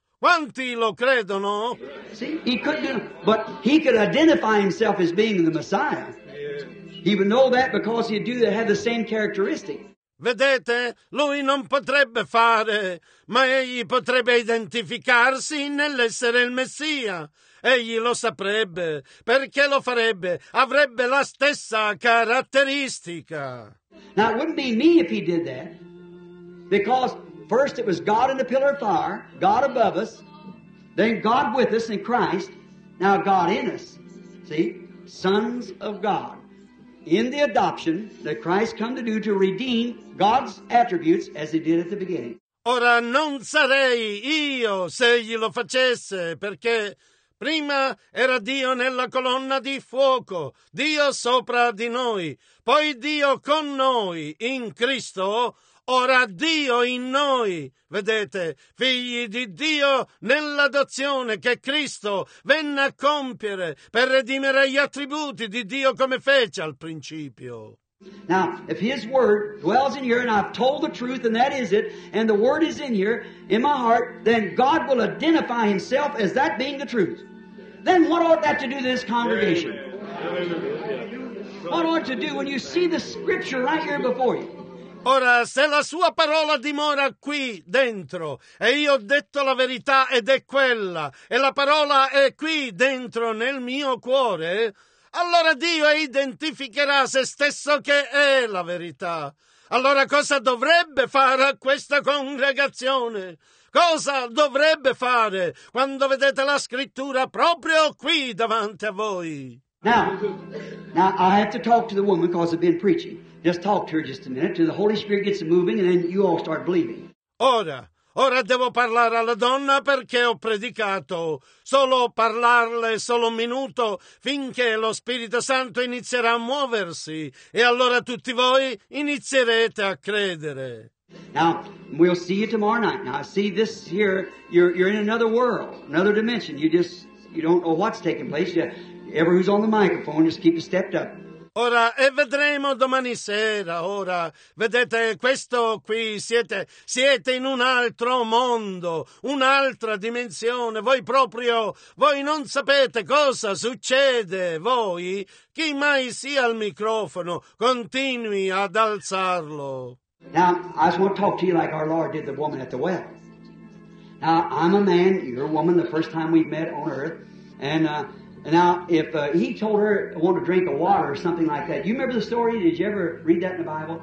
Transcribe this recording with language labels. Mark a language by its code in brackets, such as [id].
[it] Quanti lo credono? [en] See, he couldn't do, but he could identify himself as being the Messiah. He would know that because he'd do that, have the same characteristic. [it] Vedete, lui non potrebbe fare, ma egli potrebbe identificarsi nell'essere il Messia. Egli lo saprebbe, perché lo farebbe, avrebbe la stessa caratteristica. [en] Now, it wouldn't be me if he did that, because First, it was God in the pillar of fire, God above us, then God with us in Christ, now God in us. See? Sons of God. In the adoption that Christ come to do to redeem God's attributes as he did at the beginning. [it] Ora non sarei io se egli lo facesse, perché prima era Dio nella colonna di fuoco, Dio sopra di noi, poi Dio con noi in Cristo, ora Dio in noi, vedete, figli di Dio nell'adozione che Cristo venne a compiere per redimere gli attributi di Dio come fece al principio. [en] Now, if his word dwells in here, and I've told the truth, and that is it, and the word is in here, in my heart, then God will identify himself as that being the truth. Then what ought that to do to this congregation? What ought to do when you see the scripture right here before you? [it] Ora, se la sua parola dimora qui dentro, e io ho detto la verità ed è quella, e la parola è qui dentro nel mio cuore, allora Dio identificherà se stesso che è la verità. Allora cosa dovrebbe fare a questa congregazione? Cosa dovrebbe fare quando vedete la scrittura proprio qui davanti a voi? [en] Now I have to talk to the woman because I've been preaching. Just talk to her just a minute till the Holy Spirit gets moving and then you all start believing. [it] Ora devo parlare alla donna perché ho predicato. Solo parlarle solo un minuto finché lo Spirito Santo inizierà a muoversi e allora tutti voi inizierete a credere. [en] Now, we'll see you tomorrow night. Now, I see this here, you're in another world, another dimension. You don't know what's taking place. Everyone who's on the microphone, just keep it stepped up. [it] Ora, e vedremo domani sera, ora, vedete, questo qui, siete in un altro mondo, un'altra dimensione, voi non sapete cosa succede, voi, chi mai sia al microfono, continui ad alzarlo. [en] Now, I just want to talk to you like our Lord did the woman at the well. Now, I'm a man, you're a woman, the first time we've met on earth, and now, if he told her I want a drink of water or something like that, you remember the story? Did you ever read that in the Bible?